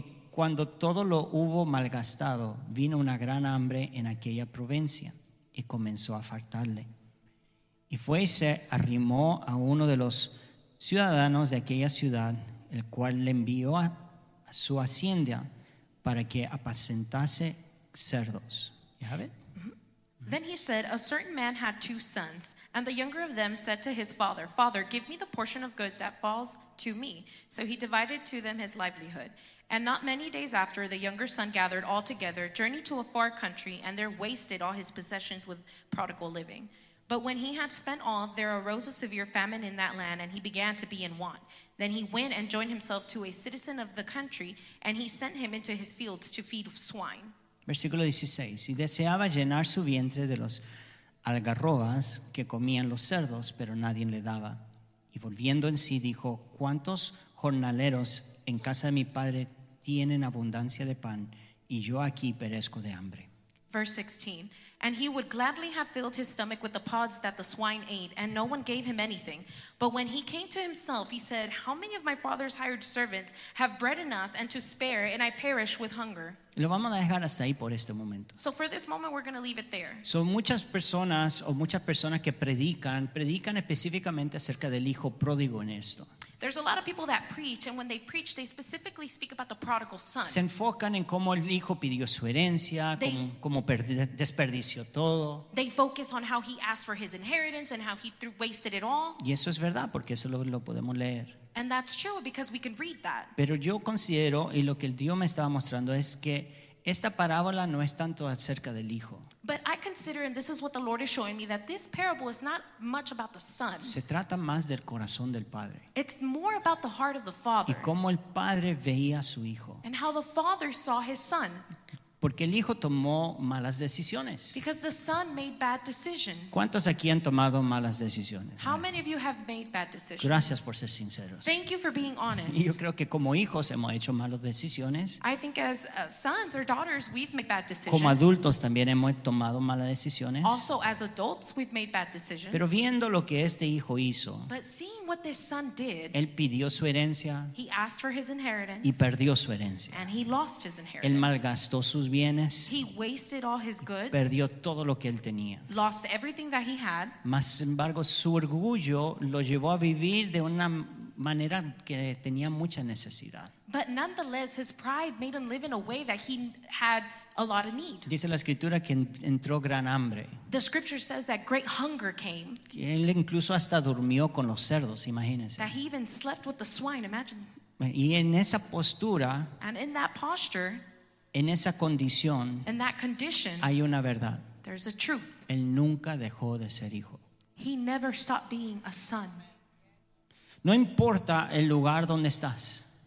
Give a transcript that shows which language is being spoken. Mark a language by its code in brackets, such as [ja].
[es] Cuando todo lo hubo malgastado, vino una gran hambre en aquella provincia y comenzó a faltarle. Y fue y se arrimó a uno de los ciudadanos de aquella ciudad, el cual le envió a su hacienda para que apacentase cerdos. ¿Ya ven? [en] Then he said, a certain man had two sons, and the younger of them said to his father, Father, give me the portion of good that falls to me. So he divided to them his livelihood. And not many days after, the younger son gathered all together, journeyed to a far country, and there wasted all his possessions with prodigal living. But when he had spent all, there arose a severe famine in that land, and he began to be in want. Then he went and joined himself to a citizen of the country, and he sent him into his fields to feed swine. [es] Versículo 16. Y deseaba llenar su vientre de los algarrobas que comían los cerdos, pero nadie le daba. Y volviendo en sí, dijo, ¿cuántos jornaleros en casa de mi padre tienen abundancia de pan, y yo aquí perezco de hambre? [en] Verse 16. And he would gladly have filled his stomach with the pods that the swine ate, and no one gave him anything. But when he came to himself, he said, how many of my father's hired servants have bread enough and to spare, and I perish with hunger? [es] Lo vamos a dejar hasta ahí por este momento. [en] So for this moment, we're going to leave it there. [es] So muchas personas o muchas personas que predican específicamente acerca del hijo pródigo en esto. [en] There's a lot of people that preach, and when they preach, they specifically speak about the prodigal son. [es] Se enfocan en cómo el hijo pidió su herencia, desperdició todo. [en] They focus on how he asked for his inheritance and how he wasted it all. [es] Y eso es verdad, porque eso lo podemos leer. [en] And that's true because we can read that. [es] Pero yo considero, y lo que el Dios me estaba mostrando es que esta parábola no es tanto acerca del hijo. [en] But I consider, and this is what the Lord is showing me, that this parable is not much about the son. [es] Se trata más del corazón del padre. [en] It's more about the heart of the father. [es] Y cómo el padre veía a su hijo. [en] And how the father saw his son. [es] Porque el hijo tomó malas decisiones. [en] Because the son made bad decisions. [es] ¿Cuántos aquí han tomado malas decisiones? [en] How many of you have made bad decisions? [es] Gracias por ser sinceros. [en] Thank you for being honest. [es] Y yo creo que como hijos hemos hecho malas decisiones. [en] I think as sons or daughters we've made bad decisions. [es] Como adultos también hemos tomado malas decisiones. [en] Also as adults we've made bad decisions. [es] Pero viendo lo que este hijo hizo. [en] But seeing what this son did. [es] Él pidió su herencia. [en] He asked for his inheritance. [es] Y perdió su herencia. [en] And he lost his inheritance. [es] Él malgastó sus bienes, [en] he wasted all his goods, [es] perdió todo lo que él tenía, [en] lost everything that he had. [es] Mas sin embargo, su orgullo lo llevó a vivir de una manera que tenía mucha necesidad. [en] But nonetheless, his pride made him live in a way that he had a lot of need. [es] Dice la escritura que entró gran hambre. [en] The scripture says that great hunger came. [es] Que él incluso hasta durmió con los cerdos, imagínense. [en] That he even slept with the swine, imagine. [es] Y en esa postura, [en] and in that posture, [es] En esa condición, [en] in that condition, [es] hay una verdad. [en] There's a truth. [es] Él nunca dejó de ser hijo. [en] He never stopped being a son. [es] No importa el lugar donde estás.